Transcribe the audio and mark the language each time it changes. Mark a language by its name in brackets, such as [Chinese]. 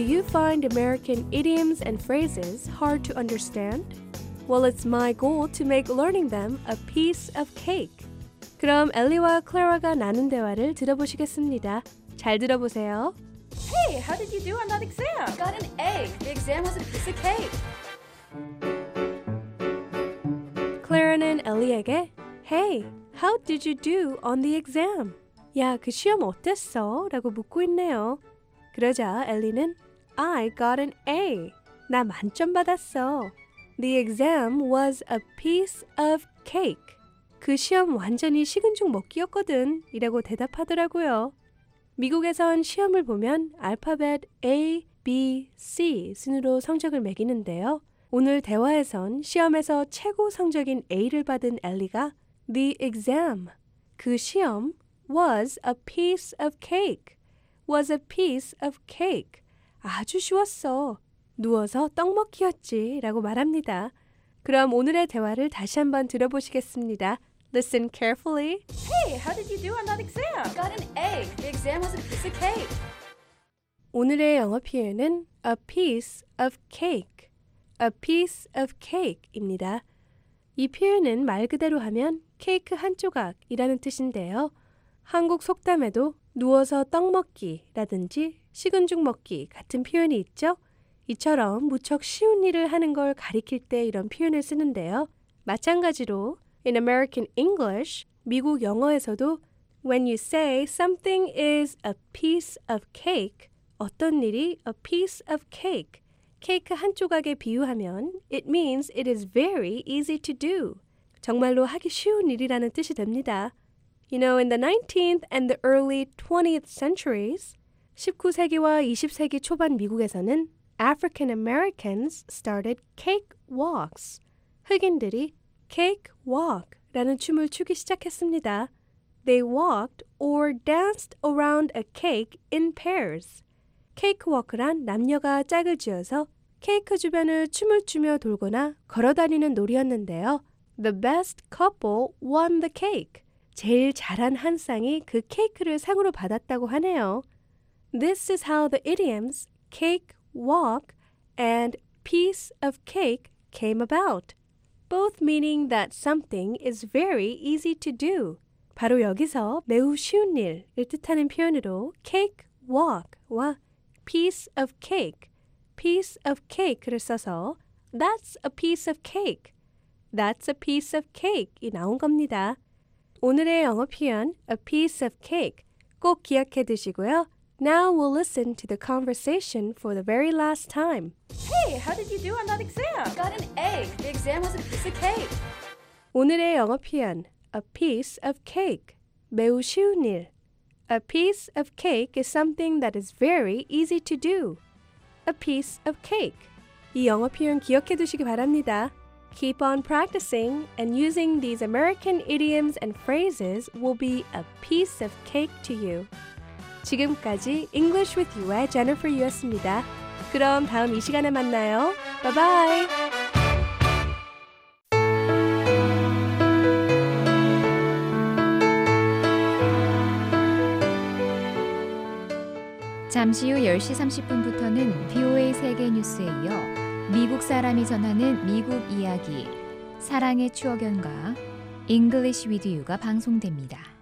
[English] find American idioms and phrases hard to understand? Well, it's my goal to make learning them a piece of cake. [Korean] 그럼 엘리와 클라라가 나눈 대화를 들어보시겠습니다. 잘 들어보세요. [English] Hey, how did you do on that exam? Got an A. The exam was a piece of cake. [Korean] Clara는 엘리에게 [English] Hey, how did you do on the exam? [Korean] 야, 그 시험 어땠어? 라고 묻고 있네요. 그러자 엘리는 [English] I got an A. [Korean] 나 만점 받았어. [English] The exam was a piece of cake. [Korean] 그 시험 완전히 식은 죽 먹기였거든. 이라고 대답하더라고요. 미국에선 시험을 보면 알파벳 A, B, C 순으로 성적을 매기는데요. 오늘 대화에선 시험에서 최고 성적인 A를 받은 엘리가 [English] The exam, [Korean] 그 시험 [English] was a piece of cake. Was a piece of cake. [Korean] 아주 쉬웠어. 누워서 떡 먹기였지 라고 말합니다. 그럼 오늘의 대화를 다시 한번 들어보시겠습니다. [English] Listen carefully. Hey, how did you do on that exam? Got an A. The exam was a piece of cake. [Korean] 오늘의 영어 표현은 [English] a piece of cake. A piece of cake입니다. [Korean] 이 표현은 말 그대로 하면 케이크 한 조각이라는 뜻인데요. 한국 속담에도 누워서 떡 먹기라든지 식은 죽 먹기 같은 표현이 있죠. 이처럼 무척 쉬운 일을 하는 걸 가리킬 때 이런 표현을 쓰는데요. 마찬가지로 [English] In American English, [Korean] 미국 영어에서도 [English] When you say something is a piece of cake, [Korean] 어떤 일이 [English] a piece of cake, [Korean] 케이크 한 조각에 비유하면 [English] It means it is very easy to do. [Korean] 정말로 하기 쉬운 일이라는 뜻이 됩니다. [English] You know, in the 19th and the early 20th centuries, [Korean] 19세기와 20세기 초반 미국에서는 [English] African Americans started cake walks. [Korean] 흑인들이 cake walk라는 춤을 추기 시작했습니다. [English] They walked or danced around a cake in pairs. [Korean] cake walk란 남녀가 짝을 지어서 케이크 주변을 춤을 추며 돌거나 걸어다니는 놀이였는데요. [English] The best couple won the cake. [Korean] 제일 잘한 한 쌍이 그 케이크를 상으로 받았다고 하네요. [English] This is how the idioms cake walk and piece of cake came about. Both meaning that something is very easy to do. [Korean] 바로 여기서 매우 쉬운 일을 뜻하는 표현으로 cake walk와 piece of cake를 써서 [English] that's a piece of cake, [Korean] that's a piece of cake이 나온 겁니다. 오늘의 영어 표현 a piece of cake 꼭 기억해 두시고요. [English] Now we'll listen to the conversation for the very last time. Hey, how did you do on that exam? Got an A. The exam was a piece of cake. [Korean] 오늘의 영어 표현, [English] a piece of cake, [Korean] 매우 쉬운 일. [English] A piece of cake is something that is very easy to do. A piece of cake. [Korean] 이 영어 표현 기억해 두시기 바랍니다. [English] Keep on practicing and using these American idioms and phrases will be a piece of cake to you. [Korean] 지금까지 English with You의 Jennifer Yu였습니다. 그럼 다음 이 시간에 만나요. [English] Bye bye! [Korean] Tamsi 10시 30분부터는 VOA 세계 뉴스에 이어 미국 사람이 전하는 미국 이야기, 사랑의 추억연과 English with You가 방송됩니다.